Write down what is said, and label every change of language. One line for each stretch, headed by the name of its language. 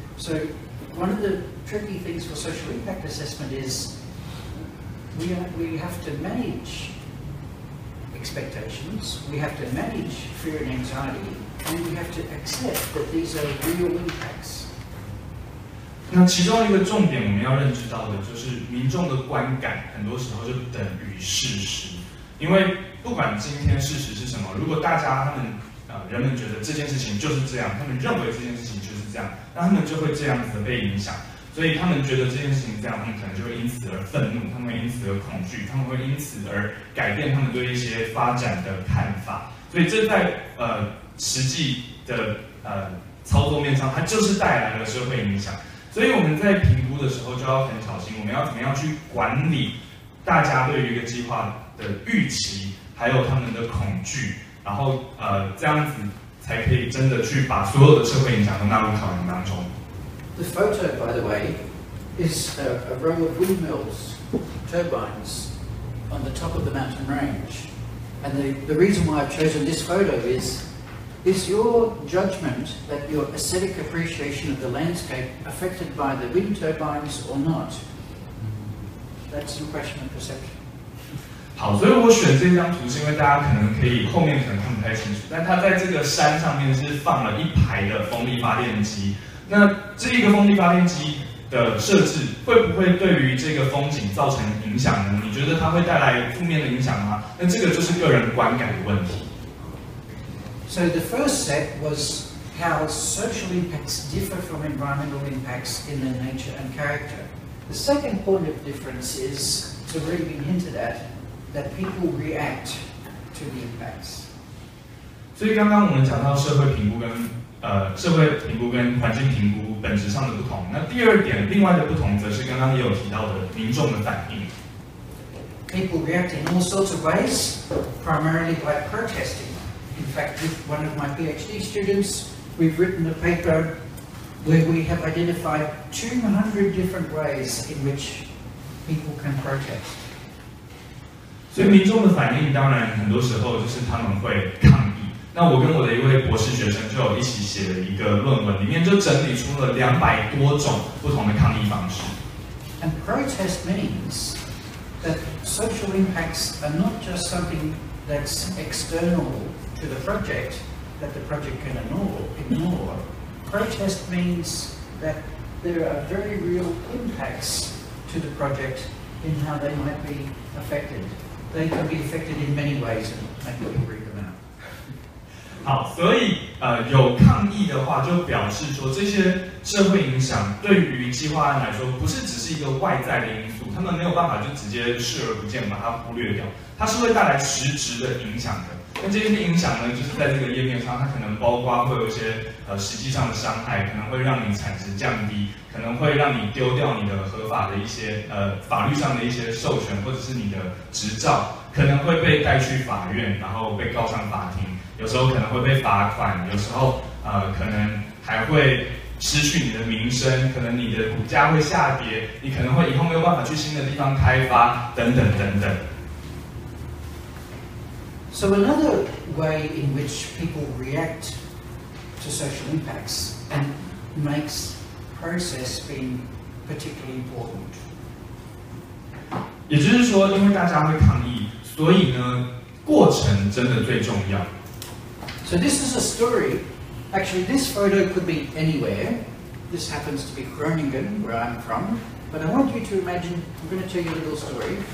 English: So one of the tricky things for social impact assessment is we have to manage expectations, we have to manage fear and anxiety, and we have to accept that these are real impacts.
Chinese: 那其中一个重点我们要认知到的就是民众的观感很多时候就等于事实，因为不管今天事实是什么，如果大家他们人们觉得这件事情就是这样，他们认为这件事情就是这样，那他们就会这样子的被影响。所以他们觉得这件事情这样，他们可能就会因此而愤怒，他们会因此而恐惧，他们会因此而改变他们对一些发展的看法。所以这在实际的操作面上，它就是带来了社会影响。所以我们在评估的时候就要很小心，我们要怎么样去管理大家对于一个计划的预期，还有他们的恐惧，然后这样子才可以真的去把所有的社会影响都纳入考量当中。
English: The photo, by the way, is a row of windmills turbines on the top of the mountain range. And the reason why I've chosen this photo is your judgment that your aesthetic appreciation of the landscape affected by the wind turbines or not? That's your question of perception.
Chinese: 好，所以我选这张图是因为大家可能可以后面可能看不太清楚，但它在这个山上面是放了一排的风力发电机。那这一个风力发电机的设置会不会对于这个风景造成影响呢？你觉得它会带来负面的影响吗？那这个就是个人观感的问题。
English: So the first set was how social impacts differ from environmental impacts in their nature and character. The second point of difference is to really be hinted at. That people react to the impacts.
Chinese: 所以刚刚我们讲到社会评估跟社会评估跟环境评估本质上的不同。那第二点，另外的不同，则是刚刚也有提到的民众的反应。
English: People react in all sorts of ways, primarily by protesting. In fact, with one of my PhD students, we've written a paper where we have identified 200 different ways in which people can protest.
Chinese: 所以民众的反应当然很多时候就是他们会抗议。那我跟我的一位博士学生就有一起写了一个论文，里面就整理出了200多种不同的抗议方式。
English: And protest means that social impacts are not just something that's external to the project that the project can ignore. Protest means that there are very real impacts to the project in how they might be affected. They can be affected in many ways, and I can read them out.
Chinese: 好，所以有抗议的话，就表示说这些社会影响对于计划案来说，不是只是一个外在的因素，他们没有办法就直接视而不见，把它忽略掉。它是会带来实质的影响的。那这些影响呢，就是在这个页面上，它可能包括会有一些实际上的伤害，可能会让你产值降低，可能会让你丢掉你的合法的一些法律上的一些授权或者是你的执照，可能会被带去法院，然后被告上法庭。有时候可能会被罚款，有时候可能还会失去你的名声，可能你的股价会下跌，你可能会以后没有办法去新的地方开发，等等等等。
English: So another way in which people react to social impacts and makes process being particularly important.
Chinese: 也就是说，因为大家会抗议，所以呢，过程真的最重要。
English: So this is a story. Actually, this photo could be anywhere. This happens to be Groningen, where I'm from. But I want you to imagine, I'm going to tell you a little story.